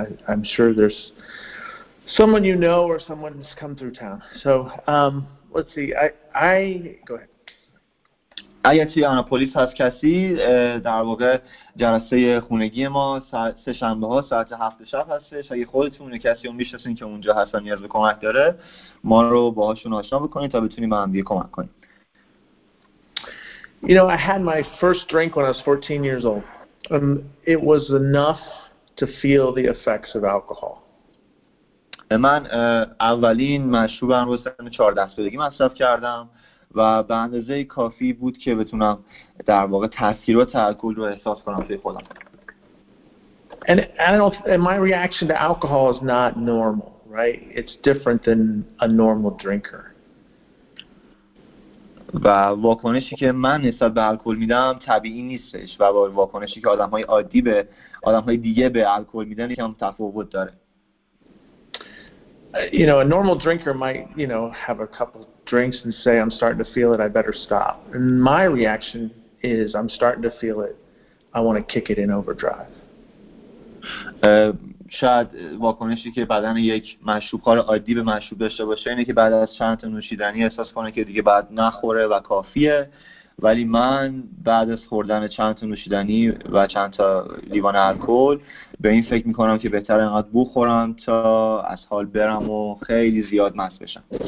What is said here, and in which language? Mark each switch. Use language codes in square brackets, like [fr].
[en] I'm sure there's someone you know or someone who's come through town. So, let's see. Go ahead. [fa] اگر توی آناپولیس هست کسی، در واقع جلسه خونگی ما سه شنبه ها ساعت 7 شب هستش. اگه خودتون یا کسی رو میشناسین که اونجا هستن نیاز به کمک داره، ما رو باهاشون آشنا بکنید تا بتونیم به هم دیگه کمک کنیم. [en] You know, I had my first drink when I was 14 years old. It was enough to feel the effects of alcohol. [fa] من اولین مشروبم رو سن 14 سالگی مصرف کردم و به اندازه کافی بود که بتونم در واقع تاثیرات الکل رو احساس کنم توی خودم. [en] And I don't know, my reaction to alcohol is not normal, right? It's different than a normal drinker. [fa] و واکنشی که من نسبت به الکل میدم طبیعی نیستش و با واکنشی که آدم‌های عادی به آدم‌های دیگه به الکل میدن یکم تفاوت داره. [en] You know, a normal drinker might, you know, have a couple of drinks and say, I'm starting to feel it, I better stop. And my reaction is, I'm starting to feel it, I want to kick it in overdrive. [fa] شاید واکنشی که بدن یک مشروبخور عادی به مشروب داشته باشه اینه که بعد از چند تا نوشیدنی احساس کنه که دیگه بعد نخوره و کافیه، ولی من بعد از خوردن چند تا نوشیدنی و چند تا لیوان الکل به این فکر میکنم که بهتر اینقدر بخورم تا از حال برم و خیلی زیاد مست بشم.